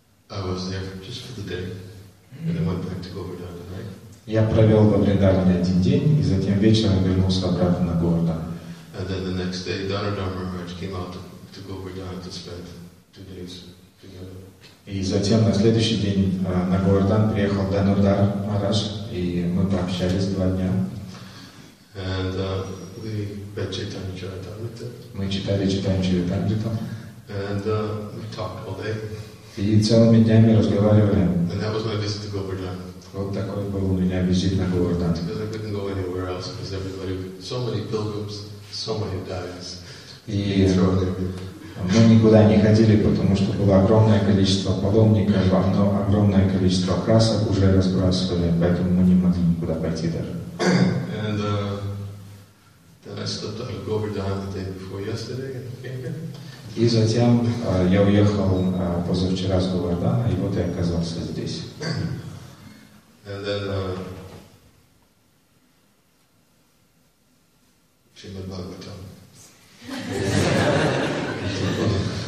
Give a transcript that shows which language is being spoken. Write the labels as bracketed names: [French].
[English] I was there just for the day, and I went back to Govardhan at night. [Russian] Я провел во Вриндаване один день, и затем вечером вернулся обратно на Говардхан. [English] And then the next day, Дханадхар Махарадж came out to Govardhan to spend 2 days together. [Russian] И затем на следующий день на Говардхан приехал Дханадхар Махарадж, и мы пообщались 2 дня. [English] And we read Chaitanya Charitamrita. [Russian] Мы читали Chaitanya Charitamrita. [English] And we talked all day. [Russian] И целыми днями разговаривали. [English] And that was my visit to Govardhan. [Russian] Вот такой был у меня визит на Говардхан. [English] Because I couldn't go anywhere else because everybody, so many pilgrims, so many dais. [Russian] И мы никуда не ходили, потому что было огромное количество паломников, огромное количество красок уже разбрасывали, поэтому мы не могли никуда пойти даже. [English] And then I slept out of Govardhan the day before yesterday and came here. [Russian] И затем я уехал позавчера с Говардана, и вот я оказался здесь. [English] And then, Shrimad Bhagavatam.